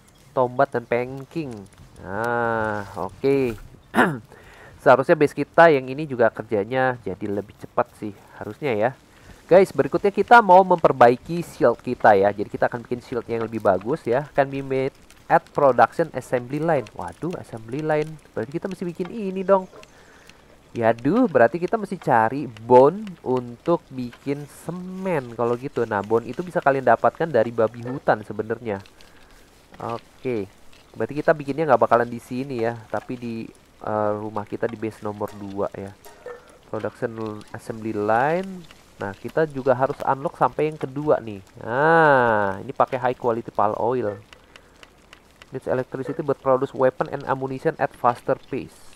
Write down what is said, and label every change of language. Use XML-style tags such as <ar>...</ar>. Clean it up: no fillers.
<id>Tombat dan Panking. Nah, oke. Seharusnya base kita yang ini juga kerjanya jadi lebih cepat sih. Harusnya ya. Guys, berikutnya kita mau memperbaiki shield kita ya. Jadi kita akan bikin shield yang lebih bagus ya.</id> <en>Can be made at production assembly line.</en> <id>Waduh, assembly line. Berarti kita mesti bikin ini dong. Yaduh, berarti kita mesti cari bone untuk bikin semen kalau gitu. Nah, bone itu bisa kalian dapatkan dari babi hutan sebenarnya. Oke. Berarti kita bikinnya nggak bakalan di sini ya, tapi di rumah kita di base nomor 2 ya. Production assembly line. Nah, kita juga harus unlock sampai yang kedua nih. Nah, ini pakai high quality palm oil.</id> <en>Needs electricity but produce weapon and ammunition at faster pace.</en>